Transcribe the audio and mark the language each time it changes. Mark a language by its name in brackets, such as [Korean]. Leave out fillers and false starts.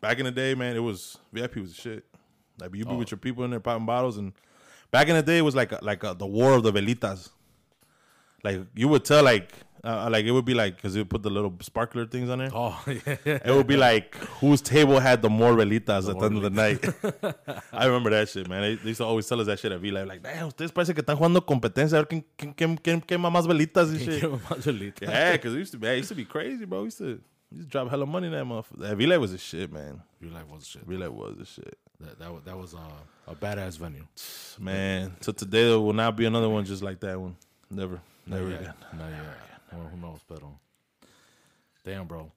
[English] Back in the day, man, it was VIP was the shit. Like you'd be with your people in there popping bottles, and back in the day it was like the war of the velitas. Like you would tell like it would be like, cuz it would put the little sparkler things on there. Oh, yeah. It would be like whose table had the more velitas at the end of the night. I remember that shit, man. They used to always tell us that shit at V-Live. Like, damn, [Spanish] ustedes parece que están jugando competencia. A ver quién quema más velitas y shit. Más velitas. [English] Yeah, cuz it used to be crazy, bro. We used to drop hella money in that motherfucker. That V-Live was a shit, man. V-Live was a shit. V-Live was a shit. That was a badass venue. Man, so today there will not be another one just like that one. Never. Never not again. Not yet. Well, who knows, but damn, bro.